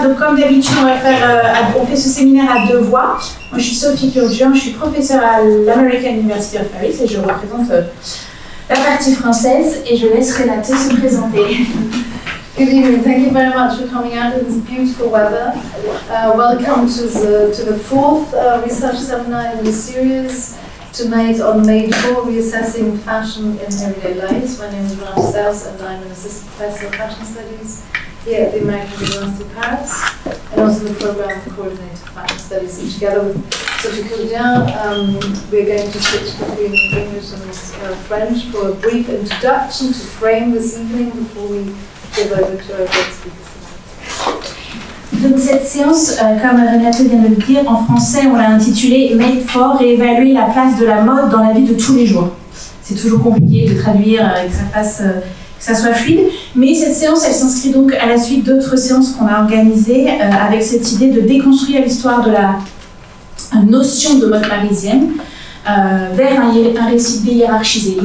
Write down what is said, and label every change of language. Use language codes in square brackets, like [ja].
[fr] Donc, comme d'habitude, on fait ce séminaire à deux voix. Moi, je suis Sophie Curgeon, je suis professeure à l'American University of Paris et je représente la partie française. Et je laisse Renate se présenter. [en] Good evening. Thank you very much for coming out in this beautiful weather. Welcome to the fourth research seminar in the series tonight on May 4, reassessing fashion in everyday life. My name is Renate Sells and I'm an assistant professor of fashion studies here at the American University of Paris, and also the program of coordinated fashion studies. And together with Sophie Curgeon, we're going to switch between English and French for a brief introduction to frame this evening before we give over to our guest speakers. [fr] Donc cette séance, comme Renate vient de le dire, en français, on l'a intitulée « Made for » et évaluer la place de la mode dans la vie de tous les jours. C'est toujours compliqué de traduire et que ça fasse, que ça soit fluide. Mais cette séance, elle s'inscrit donc à la suite d'autres séances qu'on a organisées avec cette idée de déconstruire l'histoire de la notion de mode parisienne vers un récit déhiérarchisé.